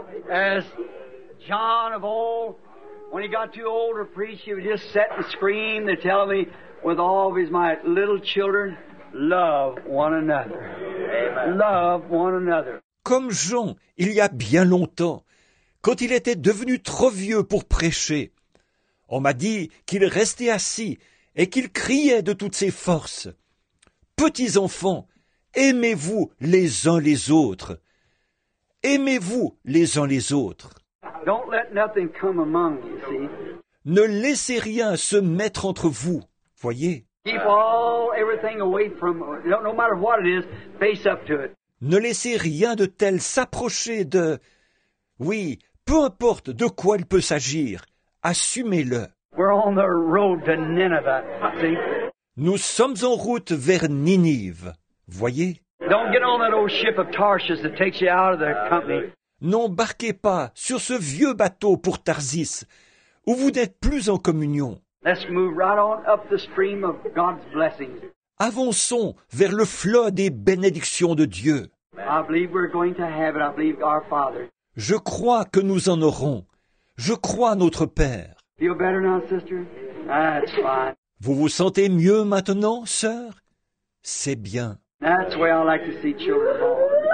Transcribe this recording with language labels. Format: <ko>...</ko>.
<en>As John of old, when he got too old to preach, he would just sit and scream and tell me with all of his might, little children, love one another. Amen. Love one another.</en> <fr>Comme Jean, il y a bien longtemps, quand il était devenu trop vieux pour prêcher, on m'a dit qu'il restait assis et qu'il criait de toutes ses forces. Petits enfants, aimez-vous les uns les autres. Aimez-vous les uns les autres.</fr> <en>Don't let nothing come among you, see?</en> <fr>Ne laissez rien se mettre entre vous, voyez?</fr> <en>Keep all everything away from, no matter what it is, face up to it.</en> <fr>Ne laissez rien de tel s'approcher de, oui, peu importe de quoi il peut s'agir, assumez-le.</fr> <en>We're on the road to Nineveh, see?</en> <fr>Nous sommes en route vers Ninive, voyez?</fr> <en>Don't get on that old ship of Tarshish that takes you out of the company.</en> <fr>N'embarquez pas sur ce vieux bateau pour Tarsis, où vous n'êtes plus en communion.</fr> <en>Let's move right on up the stream of God's blessings.</en> <fr>Avançons vers le flot des bénédictions de Dieu.</fr> <en>I believe we're going to have it. I believe our Father.</en> <fr>Je crois que nous en aurons. Je crois notre Père.</fr> <en>Feel better now, sister? That's fine.</en> <fr>Vous vous sentez mieux maintenant, sœur? C'est bien.</fr> <en>That's the way I like to see children born.</en>